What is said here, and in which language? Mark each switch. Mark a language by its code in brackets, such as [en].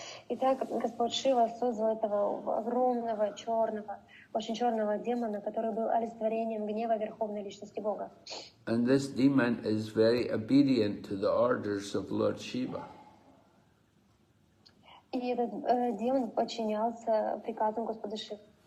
[ru] Итак, Господь Шива создал этого огромного черного, очень черного демона, который был олицетворением гнева Верховной Личности Бога. [en] And this demon is very obedient to the orders of Lord Shiva. [ru] И этот демон подчинялся приказам Господа Шивы.